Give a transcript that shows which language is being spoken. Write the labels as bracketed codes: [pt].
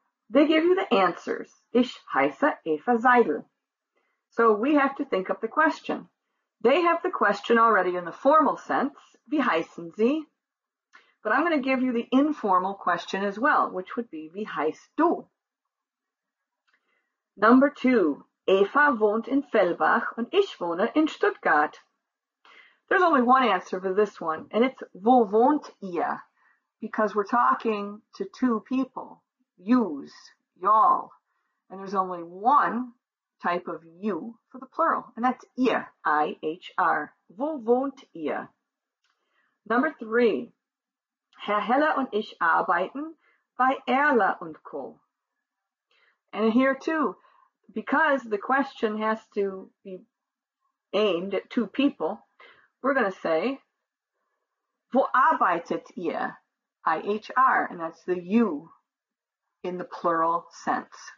[en] They give you the answers. [de] Ich heiße Eva Seidel. [en] So we have to think up the question. They have the question already in the formal sense. [de] Wie heißen Sie? [en] But I'm going to give you the informal question as well, which would be [de] wie heißt du? [en] Number two. [de] Eva wohnt in Fellbach und ich wohne in Stuttgart. [en] There's only one answer for this one, and it's [de] wo wohnt ihr? [en] Because we're talking to two people, yous, y'all, and there's only one type of you for the plural, and that's ihr, IHR. [de] Wo wohnt ihr? [en] Number three, [de] Herr Heller und ich arbeiten bei Erle und Co. [en] And here too, because the question has to be aimed at two people, we're going to say, [de] Wo arbeitet ihr? [en] IHR, and that's the you in the plural sense.